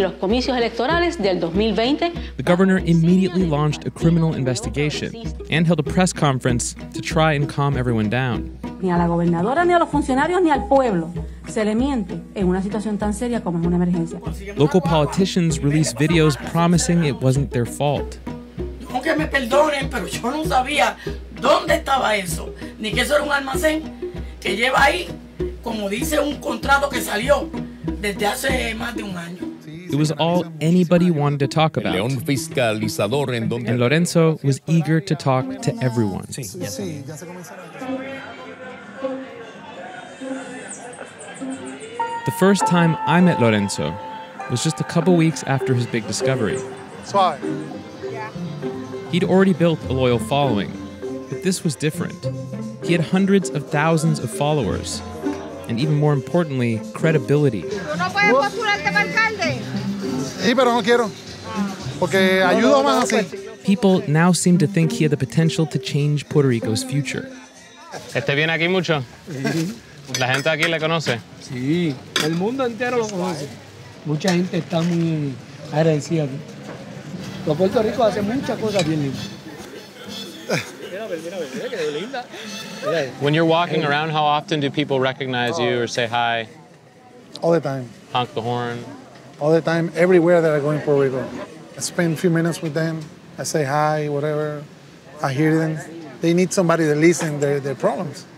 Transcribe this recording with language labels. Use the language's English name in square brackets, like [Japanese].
[English] The governor immediately launched a criminal investigation and held a press conference to try and calm everyone down. [Spanish] Ni a la gobernadora, ni a los funcionarios, ni al pueblo se le miente en una situación tan seria como es una emergencia. [English] Local politicians released videos promising it wasn't their fault. [Spanish] Que me perdonen, pero yo no sabía dónde estaba eso, ni que eso era un almacén que lleva ahí, como dice, un contrato que salió desde hace más de un año. [English] It was all anybody wanted to talk about. [Spanish] León Fiscalizador, en donde... [English] And Lorenzo was eager to talk to everyone. The first time I met Lorenzo was just a couple weeks after his big discovery. He'd already built a loyal following, but this was different. He had hundreds of thousands of followers, and even more importantly, credibility. People now seem to think he had the potential to change Puerto Rico's future. [Spanish] Este viene aquí mucho. La gente aquí le conoce. Sí, el mundo entero lo conoce. Mucha gente está muy agradecida aquí. Los Puerto Rico hace muchas cosas bien lindas. [English] When you're walking around, how often do people recognize you or say hi? All the time. Honk the horn. All the time, everywhere that I go in Puerto Rico. I spend a few minutes with them. I say hi, whatever. I hear them. They need somebody to listen to their problems.